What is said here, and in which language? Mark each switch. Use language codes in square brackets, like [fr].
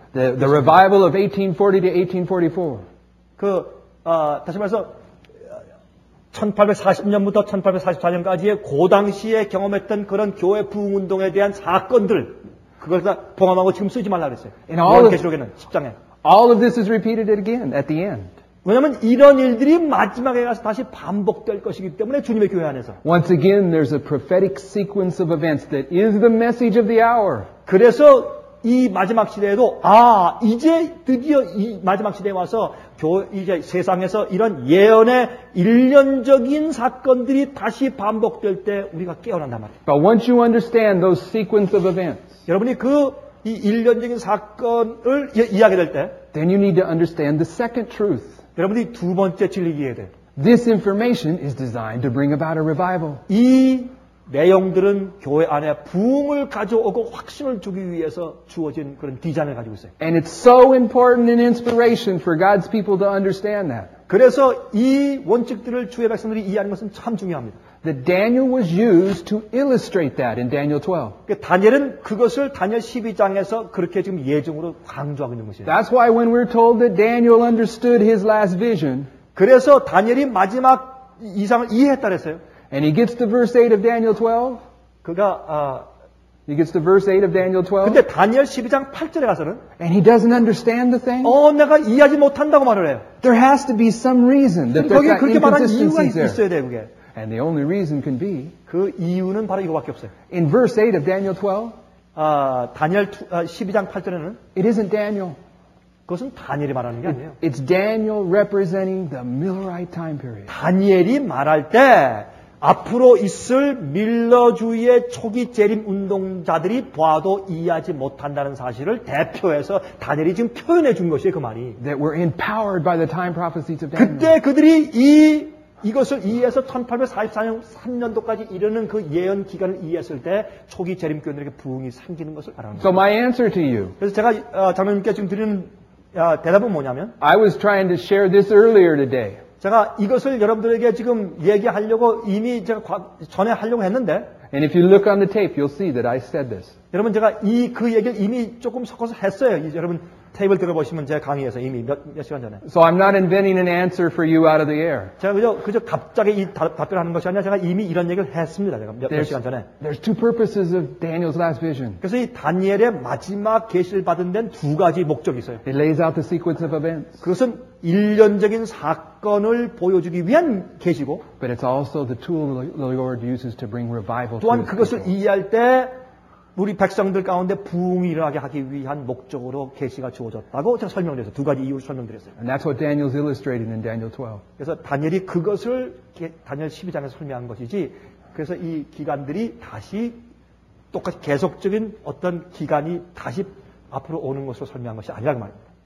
[en] The revival of 1840 to 1844. [ko] 그 다시 말해서 1840년부터 1844년까지의 그 당시에 경험했던 그런 교회 부흥운동에 대한 사건들 그걸 다 봉함하고 지금 쓰지 말라 그랬어요. 요한계시록에는 10장에. [en] All of this is repeated again at the end. [ko] 왜냐하면 이런 일들이 마지막에 가서 다시 반복될 것이기 때문에 주님의 교회 안에서. [en] Once again, there's a prophetic sequence of events that is the message of the hour. [ko] 그래서 이 마지막 시대에도 아 이제 드디어 이 마지막 시대에 와서 이제 세상에서 이런 예언의 일련적인 사건들이 다시 반복될 때 우리가 깨어난단 말이에요. [en] But once you understand those sequence of events, [ko] 여러분이 그 이 일련적인 사건을 이야기될 때, [en] then you need to understand the second truth. [ko] 여러분이 두 번째 진리 이해해야 돼. [en] This information is designed to bring about a revival. [ko] 이 내용들은 교회 안에 부흥을 가져오고 확신을 주기 위해서 주어진 그런 디자인을 가지고 있어요. [en] And it's so important an inspiration for God's people to understand that. [ko] 그래서 이 원칙들을 주의 백성들이 이해하는 것은 참 중요합니다. [en] That Daniel was used to illustrate that in Daniel 12. [ko] 다니엘은 그것을 다니엘 12장에서 그렇게 지금 예증으로 강조하고 있는 것이에요. [en] That's why when we're told that Daniel understood his last vision. [ko] 그래서 다니엘이 마지막 이상을 이해했다 그랬어요. [en] And he gets to verse 8 of Daniel 12. [ko] 그가 [en] He gets to verse 8 of Daniel 12. [ko] 근데 다니엘 12장 8절에 가서는 [en] And he doesn't understand the thing. [ko] 내가 이해하지 못한다고 말을 해요. [en] There has to be some reason that there's that inconsistency there. [ko] 그렇게 말한 이유가 있어야 돼요, 그게. [en] And the only reason can be [ko] 그 이유는 바로 이거밖에 없어요. [en] In verse 8 of Daniel 12, [ko] 다니엘 12장 8절에는 [en] It isn't Daniel. [ko] 그것은 다니엘이 말하는 게 아니에요. [en] It's Daniel representing the Millerite time period. [ko] 다니엘이 말할 때 앞으로 있을 밀러주의의 초기 재림 운동자들이 봐도 이해하지 못한다는 사실을 대표해서 다니엘이 지금 표현해 준 것이에요, 그 말이. [en] That were empowered by the time prophecies of Daniel. [ko] 그때 그들이 이것을 이해해서 1843년도까지 이르는 그 예언 기간을 이해했을 때 초기 재림 교인들에게 부흥이 생기는 것을 알았는데. [en] So my answer to you. [ko] 그래서 제가 장로님께 지금 드리는 대답은 뭐냐면 [en] I was trying to share this earlier today. [ko] 제가 이것을 여러분들에게 지금 얘기하려고 이미 제가 전에 하려고 했는데 [en] And if you look on the tape, you'll see that I said this. [ko] 여러분 제가 그 얘기를 이미 조금 섞어서 했어요. 여러분 테이블 들어보시면 제 강의에서 이미 몇 시간 전에. [en] So I'm not inventing an answer for you out of the air. [ko] 제가 그저 갑자기 이 답변하는 것이 아니라 제가 이미 이런 얘기를 했습니다. 제가 몇 시간 전에. [en] There's two purposes of Daniel's last vision. [ko] 그래서 이 다니엘의 마지막 계시를 받은 데는 두 가지 목적이 있어요. [en] It lays out the sequence of events. [ko] 그것은 일련적인 사건을 보여주기 위한 계시고. [en] But it's also the tool the Lord uses to bring revival. [ko] 또한 그것을 이해할 때. 우리 백성들 가운데 부흥이 일어나게 하기 위한 목적으로 계시가 주어졌다고 제가 설명드렸어요. 두 가지 이유를 설명드렸어요. [en] And that's what Daniel's illustrating in Daniel 12. [ko] 그래서 다니엘이 그것을 다니엘 12장에서 설명한 것이지 그래서 이 기간들이 다시 똑같이 계속적인 어떤 기간이 다시 앞으로 오는 것으로 설명한 것이 아니라고 말입니다.